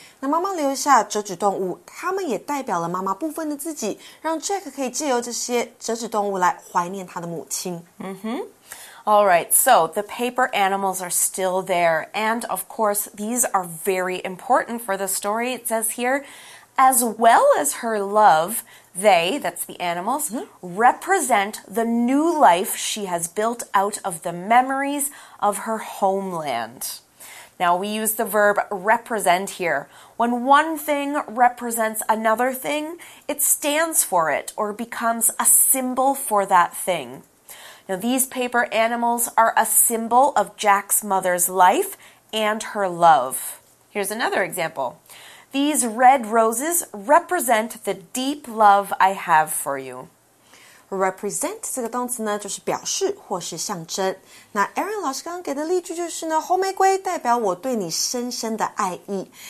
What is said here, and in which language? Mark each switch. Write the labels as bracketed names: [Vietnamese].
[Chinese] 那妈妈留下折纸动物，它们也代表了妈妈部分的自己，让 Jack 可以借由这些折纸动物来怀念他的母亲。 Mm-hmm. [English] All right, so the paper animals are still there. And of course, these are very important for the story. It says here, as well as her love, they, that's the animals, represent the new life she has built out of the memories of her homeland. Now, we use the verb represent here. When one thing represents another thing, it stands for it or becomes a symbol for that thing. Now, these paper animals are a symbol of Jack's mother's life and her love. Here's another example. These red roses represent the deep love I have for you. [Chinese] Represent 这个动词呢，就是表示或是象征。那 Aaron 老师刚刚给的例句就是呢，红玫瑰代表我对你深深的爱意。